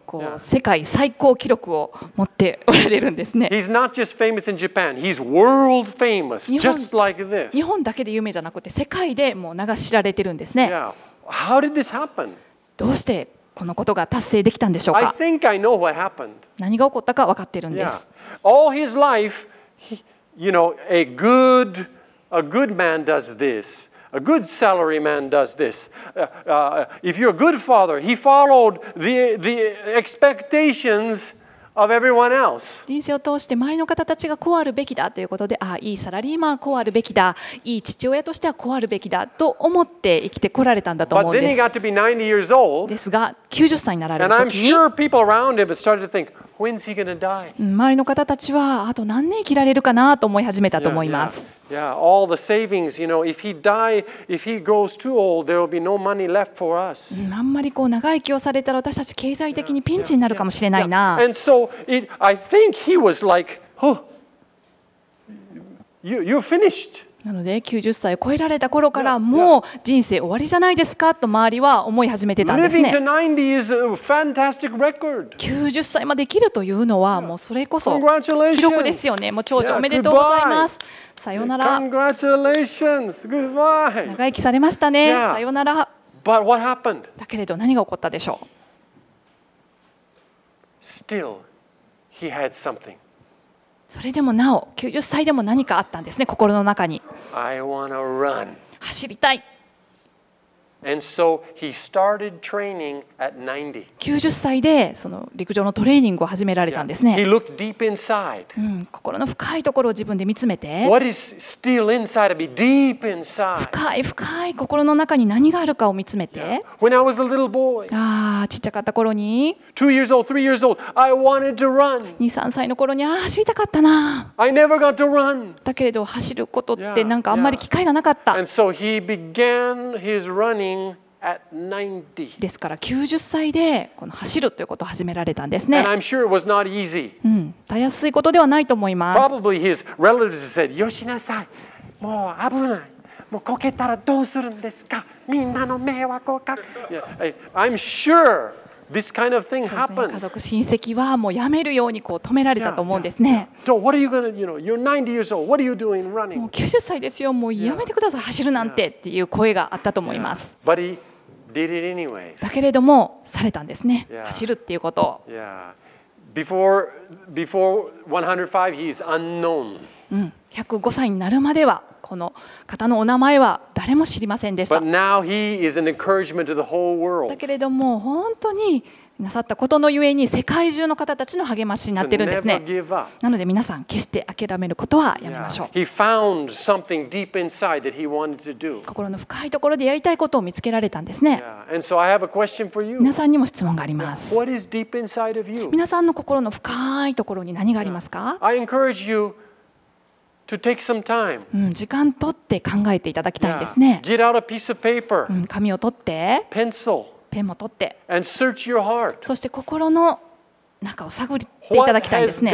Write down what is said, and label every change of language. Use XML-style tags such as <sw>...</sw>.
<ja>こう世界最高記録を持っておられるんですね。</ja> <en>He's not just famous in Japan. He's world famous, just like this.</en> <ja>日本だけで有名じゃなくて世界でもう名が知られてるんですね。</ja> <en>Yeah. How did this happen?</en> <ja>どうしてこのことが達成できたんでしょうか。</ja> <en>I think I know what happened.</en> <ja>何が起こったか分かってるんです。</ja> <en>Yeah. All his life, a good man does this. A good salary man does this. If you're a good father, he followed the expectations of everyone else.</en> <ja>人生を通して周りの方たちがこうあるべきだということで、いいサラリーマンこうあるべきだ、いい父親としてはこうあるべきだと思って生きてこられたんだと思うんです。</ja> <en>But then he got to be 90 years old.</en> <ja>ですが、90歳になられた時に、</ja> <en>and I'm sure people around him started to think, when's he going to die?</en> <ja>周りの方たちはあと何年生きられるかなと思い始めたと思います。</ja> <en>Yeah, all the savings, you know, if he die, if he goes too old, there will be no money left for us.</en> <ja>あんまりこう長生きをされたら私たち経済的にピンチになるかもしれないな。</ja> <en>And so, I think he was like, huh, you're finished.</en> <ja>なので90歳を超えられた頃からもう人生終わりじゃないですかと周りは思い始めてたんですね。</ja> <en>Living to 90 is a fantastic record.</en> <ja>90歳まで生きるというのはもうそれこそ記録ですよね。もう長寿おめでとうございます。さよなら。</ja> <en>Congratulations. Goodbye.</en> <ja>長生きされましたね。さよなら。</ja> <en>But what happened?</en> <ja>だけれど何が起こったでしょう。</ja> <en>Still, he had something.</en> <ja>それでもなお90歳でも何かあったんですね心の中に。</ja> <en>I wanna run.</en> <ja>走りたい。</ja> <en>And so he started training at 90.</en> <ja>90歳でその陸上のトレーニングを始められたんですね。</ja> <en>He looked deep inside.</en> <ja>心の深いところを自分で見つめて。</ja> <en>What is still inside of me? Deep inside.</en> <ja>深い深い心の中に何があるかを見つめて。</ja> <en>When I was a little boy.</en> <ja>ああ、ちっちゃかった頃に。</ja> <en>Two years old, three years old. I wanted to run.</en> <ja>2、3歳の頃に、ああ、走りたかったな。</ja> <en>I never got to run.</en> <ja>だけれど走ることってなんかあんまり機会がなかった。</ja> <en>And so he began his running.</en> <ja>ですから90歳でこの走るということを始められたんですね。</ja> <en>And I'm sure it was not easy.</en> <ja>たやすいことではないと思います。</ja> <en>Probably his relatives said,</en> <ja>よしなさい。もう危ない。もうこけたらどうするんですか。みんなの迷惑をかけ。</ja> <en>I'm sure This kind of thing happened.</en> <ja>家族親戚はもうやめるようにこう止められたと思うんですね。</ja> <en>So what are you gonna, you know, you're 90 years old. What are you doing running?</en> <ja>もう90歳ですよ。もうやめてください。走るなんてっていう声があったと思います。</ja> <en>But he did it anyway.</en> <ja>だけれどもされたんですね。走るっていうことを。</ja> <en>Before 105, he's unknown.</en> <ja>105歳になるまではこの方のお名前は誰も知りませんでした。</ja> <en>But now he is an encouragement to the whole world.</en> <ja>だけれども本当になさったことのゆえに世界中の方たちの励ましになってるんですね。</ja> <en>So、never give up.</en> <ja>なので皆さん決して諦めることはやめましょう。</ja> <en>He found something deep inside that he wanted to do.</en> <ja>心の深いところでやりたいことを見つけられたんですね。</ja> <en>And so I have a question for you.</en> <ja>皆さんにも質問があります。</ja> <en>What is deep inside of you?</en> <ja>皆さんの心の深いところに何がありますか？</ja> <en>I encourage you to take some time.</en> <ja>時間取って考えていただきたいんですね。</ja> <en>Get out a piece of paper.</en> <ja>紙を取って。</ja> <en>Pencil.</en> <ja>ペンも取って</ja> <en>And search your heart.</en> <ja>そして心の中を探っていただきたいですね。</ja>